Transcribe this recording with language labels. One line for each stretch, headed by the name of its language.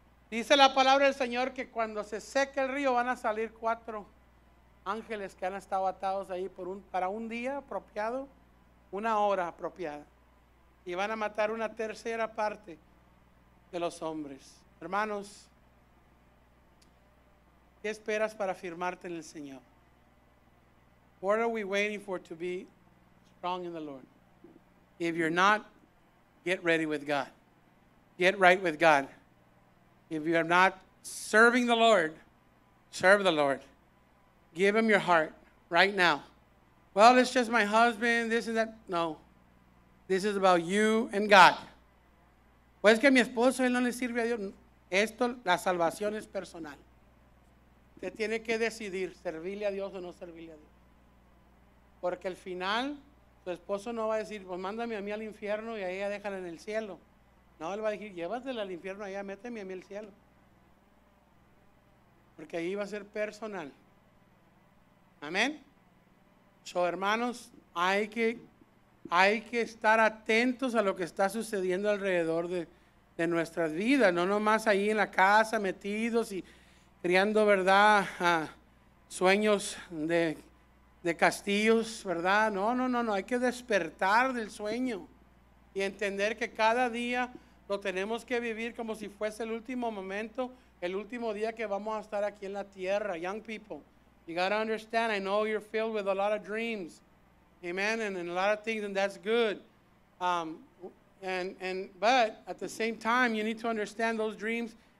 Spanish: Dice la palabra del Señor que cuando se seque el río van a salir cuatro ángeles que han estado atados ahí para un día apropiado, una hora apropiada. Y van a matar una tercera parte de los hombres. Hermanos, ¿qué esperas para firmarte en el Señor?
English: What are we waiting for to be strong in the Lord? If you're not, get ready with God. Get right with God. If you are not serving the Lord, serve the Lord. Give Him your heart right now. Well, it's just my husband, this and that. No. This is about you and God.
Spanish: Pues que mi esposo, él no le sirve a Dios. Esto, la salvación es personal. Te tiene que decidir servirle a Dios o no servirle a Dios. Porque al final, tu esposo no va a decir, pues mándame a mí al infierno y a ella déjala en el cielo. No, él va a decir, llévatela al infierno, allá méteme a mí al cielo. Porque ahí va a ser personal. Amén. So, hermanos, hay que estar atentos a lo que está sucediendo alrededor de nuestras vidas. No nomás ahí en la casa metidos y creando, ¿verdad?, sueños de castillos, ¿verdad? No, hay que despertar del sueño. y entender que cada día lo tenemos que vivir como si fuese el último momento, el último día que vamos a estar aquí en la tierra.
English: Young people, you got to understand, I know you're filled with a lot of dreams, amen, and a lot of things, and that's good. But at the same time, you need to understand those dreams.